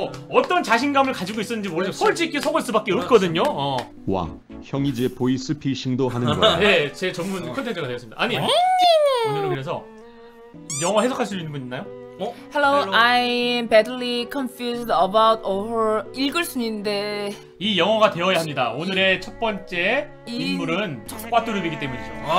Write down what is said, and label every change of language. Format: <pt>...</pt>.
<ko>어떤 자신감을 가지고 있었는지 모르겠어요. 솔직히 속을 수밖에 없거든요. 와 형이 제 보이스피싱도 하는 거야? 네, 제 전문 콘텐츠가 되었습니다. 아니 오늘은 그래서 영어 해석할 수 있는 분 있나요? 어?</ko> <en>Hello, I'm badly confused about her.</en> <ko>읽을 순 있는데 이 영어가 되어야 합니다. 오늘의 첫 번째 인물은 꽈뚜룹이기 때문이죠.</ko>